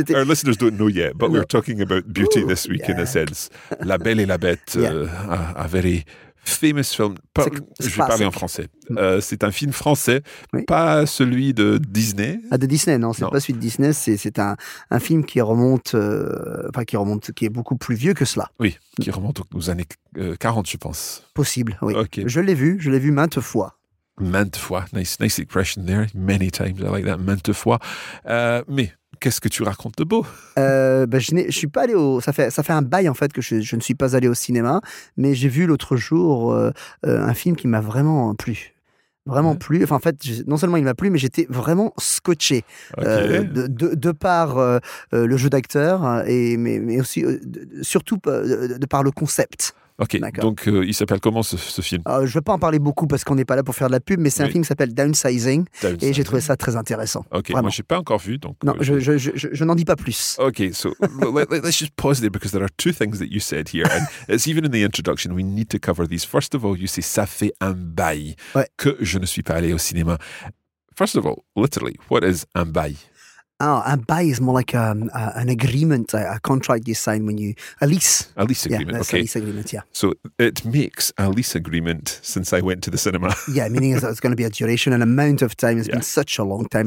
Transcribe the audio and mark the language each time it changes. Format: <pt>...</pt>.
<en>Yeah. Our listeners don't know yet, but we're talking about beauty this week in a sense. La Belle et la Bête, a very famous film.</en> <fr>Je vais parler en français. C'est un film français, pas celui de Disney. Ah, de Disney, non, c'est pas celui de Disney. C'est un film qui remonte, enfin qui remonte, qui est beaucoup plus vieux que cela. Oui, qui remonte aux années 40, je pense. Possible, oui. Okay. Je l'ai vu maintes fois. Maintes fois,</fr> <en>nice expression there. Many times, I like that, maintes fois.</en> <fr>Mais qu'est-ce que tu racontes de beau? Je suis pas allé au... Ça fait un bail, en fait, que je ne suis pas allé au cinéma, mais j'ai vu l'autre jour un film qui m'a vraiment plu. Enfin, en fait, non seulement il m'a plu, mais j'étais vraiment scotché. De par le jeu d'acteur, mais aussi, surtout, de par le concept. Ok, d'accord. Donc il s'appelle comment ce film? Je ne vais pas en parler beaucoup parce qu'on n'est pas là pour faire de la pub, mais c'est un film qui s'appelle Downsizing. Et j'ai trouvé ça très intéressant. Ok, vraiment. Moi je n'ai pas encore vu. Donc, non, je n'en dis pas plus.</fr> <en>Ok, so let's just pause there because there are two things that you said here. And it's even in the introduction, we need to cover these. First of all, you say</en> <fr>ça fait un bail que je ne suis pas allé au cinéma.</fr> <en>First of all, literally, what is un bail? Oh, a buy is more like an agreement, a contract you sign when you... A lease agreement, yeah, okay. A lease agreement, yeah. So it makes a lease agreement since I went to the cinema. Yeah, meaning that it's going to be a duration, an amount of time. It's been such a long time,</en>